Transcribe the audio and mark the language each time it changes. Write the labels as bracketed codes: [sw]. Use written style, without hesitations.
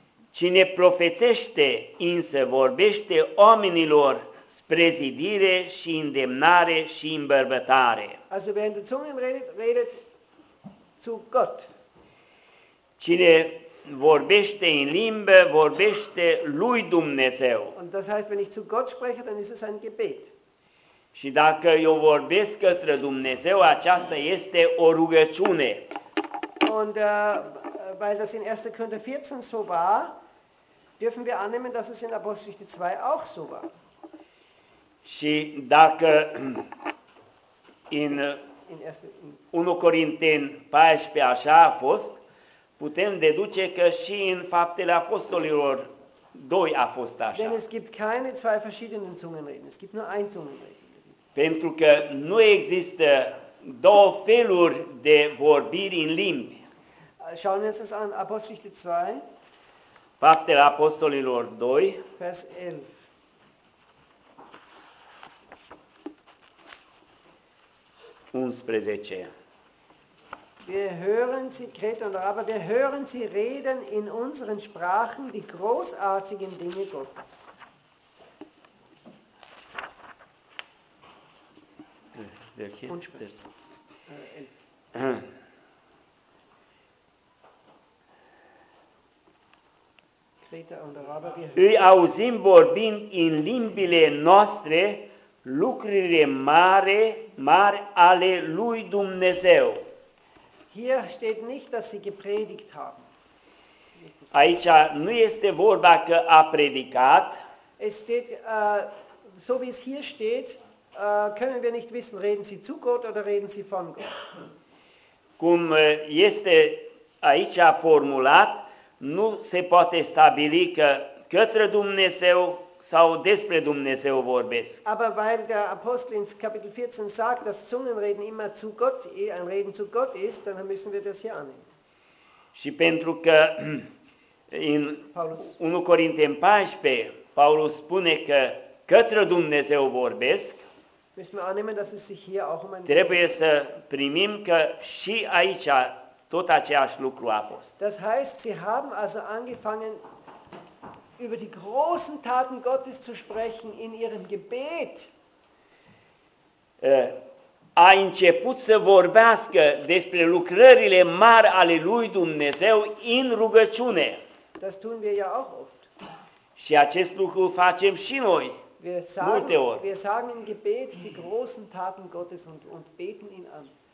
[ro] Cine profețește, însă vorbește oamenilor spre zidire și îndemnare și îmbărbătare. [de] Also, wer in der Zunge redet zu Gott. [ro] Cine vorbește în limbă, vorbește lui Dumnezeu. [de] Und das heißt, wenn ich zu Gott spreche, dann ist es ein Gebet. [ro] Și dacă eu vorbesc către Dumnezeu, aceasta este o rugăciune. [de] Und weil das in 1. Korinther 14 so war, dürfen wir annehmen, dass es in Apostelgeschichte 2 auch so war. [ro] Și dacă în 1 Corinteni 14 așa a fost, putem deduce că și în Faptele Apostolilor doi a fost așa. [de] Denn es gibt keine zwei verschiedenen Zungenreden. Es gibt nur ein Zungenreden. [ro] Pentru că nu există două feluri de vorbiri în limbi. [de] Schauen wir uns an Apostelgeschichte 2. [ro] Faptele Apostolilor 2. [de] Vers 11. Wir hören sie, Kreta und Araber, wir hören sie reden in unseren Sprachen die großartigen Dinge Gottes. Und Kreta und Araber, wir hören. [ro] Îi auzim vorbind în limbile noastre lucrurile mari, mari ale lui Dumnezeu. [de] Hier steht nicht, dass sie gepredigt haben. [ro] Aici nu este vorba că a predicat. [de] Es steht, so wie es hier steht, können wir nicht wissen, reden sie zu Gott oder reden sie von Gott. [ro] Cum este aici formulat, nu se poate stabili că către Dumnezeu sau despre Dumnezeu vorbesc. [de] Aber weil der Apostel in Kapitel 14 sagt, dass Zungenreden immer zu Gott, ein Reden zu Gott ist, dann müssen wir das hier annehmen. [ro] Și pentru că in 1 Corinteni 14 Paulus spune că către Dumnezeu vorbesc, [de] müssen wir annehmen, dass es sich hier auch um ein [ro] trebuie să primim că și aici tot aceeași lucru a fost. [de] Das heißt, sie haben also angefangen über die großen Taten Gottes zu sprechen in ihrem Gebet. [ro] A început să vorbească despre lucrările mari ale lui Dumnezeu în rugăciune. [de] Das tun wir ja auch oft. [ro] Și acest lucru facem și noi. [de] Wir sagen im Gebet die großen Taten Gottes und beten ihn an.